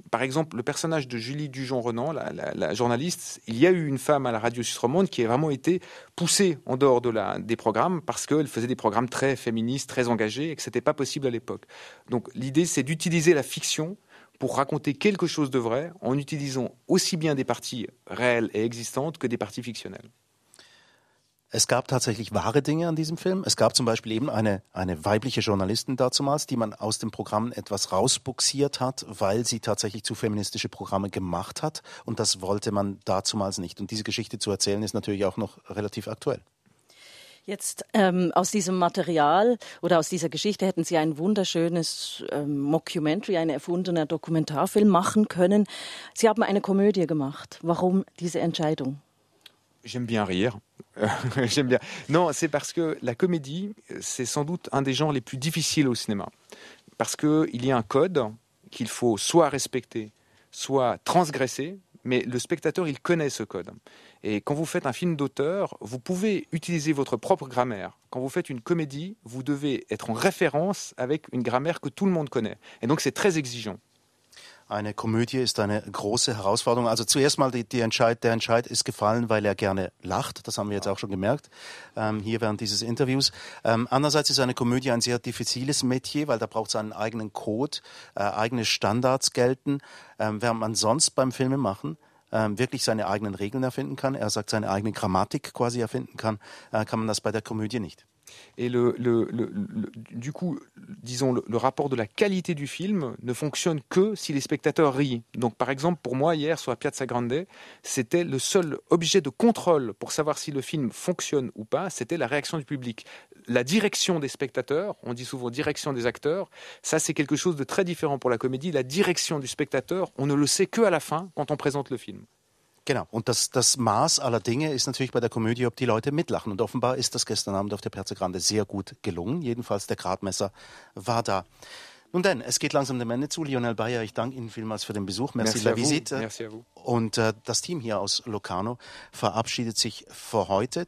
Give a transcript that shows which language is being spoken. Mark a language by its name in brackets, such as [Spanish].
[French] Par exemple, le personnage de Julie Dujon-Renan, la journaliste, il y a eu une femme à la radio Suisse romande qui a vraiment été poussée en dehors des programmes parce qu'elle faisait des programmes très féministes, très engagés et que ce n'était pas possible à l'époque. Donc l'idée, c'est d'utiliser la fiction pour raconter quelque chose de vrai en utilisant aussi bien des parties réelles et existantes que des parties fictionnelles. [German] Es gab tatsächlich wahre Dinge an diesem Film. Es gab zum Beispiel eben eine weibliche Journalistin dazumals, die man aus dem Programm etwas rausbuxiert hat, weil sie tatsächlich zu feministische Programme gemacht hat. Und das wollte man dazumals nicht. Und diese Geschichte zu erzählen, ist natürlich auch noch relativ aktuell. Jetzt aus diesem Material oder aus dieser Geschichte hätten Sie ein wunderschönes Mockumentary, ein erfundener Dokumentarfilm machen können. Sie haben eine Komödie gemacht. Warum diese Entscheidung? [French] J'aime bien rire. J'aime bien. Non, c'est parce que la comédie, c'est sans doute un des genres les plus difficiles au cinéma. Parce qu'il y a un code qu'il faut soit respecter, soit transgresser, mais le spectateur, il connaît ce code. Et quand vous faites un film d'auteur, vous pouvez utiliser votre propre grammaire. Quand vous faites une comédie, vous devez être en référence avec une grammaire que tout le monde connaît. Et donc, c'est très exigeant. [German] Eine Komödie ist eine große Herausforderung. Also zuerst mal der Entscheid ist gefallen, weil er gerne lacht. Das haben wir jetzt auch schon gemerkt, hier während dieses Interviews. Andererseits ist eine Komödie ein sehr diffiziles Metier, weil da braucht es einen eigenen Code, eigene Standards gelten. Während man sonst beim Filmemachen wirklich seine eigenen Regeln erfinden kann, er sagt, seine eigene Grammatik quasi erfinden kann, kann man das bei der Komödie nicht. [French] Et du coup, disons, le rapport de la qualité du film ne fonctionne que si les spectateurs rient. Donc, par exemple, pour moi, hier, sur la Piazza Grande, c'était le seul objet de contrôle pour savoir si le film fonctionne ou pas, c'était la réaction du public. La direction des spectateurs, on dit souvent direction des acteurs, ça, c'est quelque chose de très différent pour la comédie. La direction du spectateur, on ne le sait que à la fin, quand on présente le film. [German] Genau, und das Maß aller Dinge ist natürlich bei der Komödie, ob die Leute mitlachen. Und offenbar ist das gestern Abend auf der Piazza Grande sehr gut gelungen. Jedenfalls der Gradmesser war da. Nun denn, es geht langsam dem Ende zu. Lionel Bayer, ich danke Ihnen vielmals für den Besuch. [French] Merci la visite. Merci à vous. [German] Und das Team hier aus Locarno verabschiedet sich für heute.